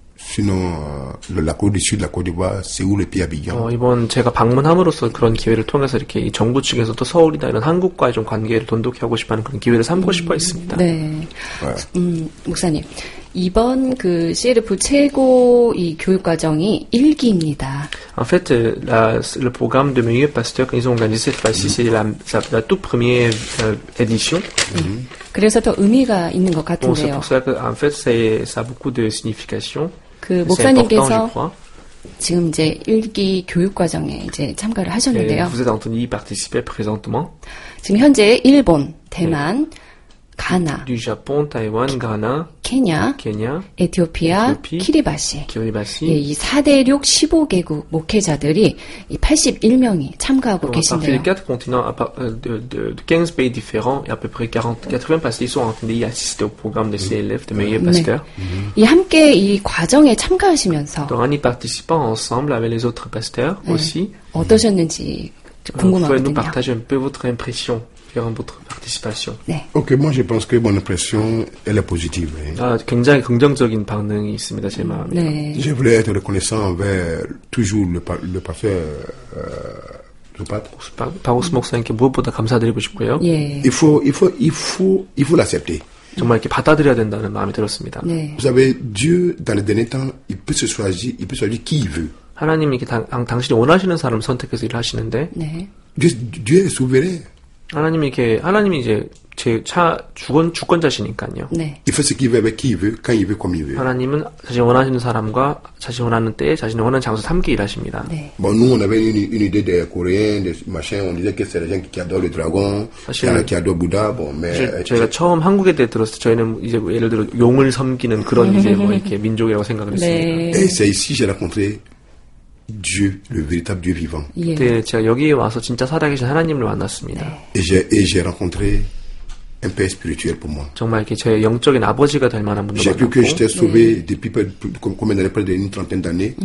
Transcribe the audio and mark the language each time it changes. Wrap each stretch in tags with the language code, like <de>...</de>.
<fr>Sinon, la Côte du Sud, la Côte d'Ivoire, Séoul et puis Abidjan.</fr> <ko>이번 제가 방문함으로써 그런 기회를 통해서 이렇게 이 정부 측에서도 서울이나 이런 한국과의 좀 관계를 돈독히 하고 싶어 하는 그런 기회를 삼고 싶어 했습니다. 네. 목사님, 이번 그 CLF 최고 이 교육과정이 1기입니다.</ko> <fr>En fait, le programme de meilleur pasteur qu'ils ont organisé cette fois-ci, c'est la toute première édition.</fr> <ko>그래서 더 의미가 있는 것 같은데요.</ko> <fr>Bon, c'est pour ça que, en fait, ça a beaucoup de signification.</fr> <ko>그 목사님께서 지금 이제 1기 교육과정에 이제 참가를 하셨는데요.</ko> <fr>Vous êtes en train d'y participer présentement.</fr> <ko>지금 현재 일본, 대만, 가나,</ko> <fr>du Japon, Taiwan, Ghana,</fr> <ko>케냐, 에티오피아, 키리바시, 예, 이 4대 륙 15개국 목회자들이 이 81명이 참가하고 계신데요.</ko> <fr>4개 continents de 15 pays différents et à peu près 80 pasteurs sont en train d'y assister au programme de CLF de meilleurs pasteurs.</fr> <ko>이 함께 이 과정에 참가하시면서</ko> <fr>또 en y participant ensemble avec les autres pasteurs aussi.</fr> <ko>어떠셨는지 궁금하거든요.</ko> <fr>Vous pouvez nous partager un peu votre impression. Votre participation.</fr> <ko>네.</ko> <fr>Ok, moi je pense que mon impression elle est positive.</fr> <ko>아, 굉장히 긍정적인 반응이 있습니다, 제 마음에. 네.</ko> <fr>Je voulais être reconnaissant envers toujours le pasteur Zupat.</fr> <ko>Paus 목사님께 무엇보다 감사드리고 싶고요. 예.</ko> <fr>Il faut l'accepter.</fr> <ko>정말 이렇게 받아들여야 된다는 마음이 들었습니다. 네.</ko> <fr>Vous savez, Dieu, dans les derniers temps, il peut choisir qui il veut.</fr> <ko>하나님이 당신이 원하시는 사람을 선택해서 일을 하시는데. 네.</ko> <fr>Dieu est souverain.</fr> <ko>하나님이 이제 제 주권자시니까요. 네.</ko> <en>If it's given by</en> <fr>qui veut, quand il veut, comme il veut.</fr> <ko>하나님은 자신 원하시는 사람과 자신 원하는 때에 자신 원하는 장소에 함께 일하십니다. 네.</ko> <fr>Bon, nous on avait une idée des Coréens, des machins. On disait que c'est les gens qui adorent le dragon, qui adorent Bouddha. Bon, mais</fr> <ko>저희가 처음 한국에 대해 들었을 때 저희는 이제 뭐 예를 들어 용을 섬기는 그런 이제 뭐 이렇게 민족이라고 생각을 했습니다. 네.</ko> <fr>Et c'est ici que j'ai rencontré Dieu, le véritable Dieu vivant.</fr> <ko>그때 제가 여기 와서 진짜 살아계신 하나님을 만났습니다.</ko> <fr>Et j'ai rencontré un père spirituel pour moi.</fr> <ko>정말 이렇게 제 영적인 아버지가 될 만한 분도 만났고.</ko> <fr>J'ai cru que j'étais sauvé depuis combien d'années, près d'une trentaine d'années.</fr>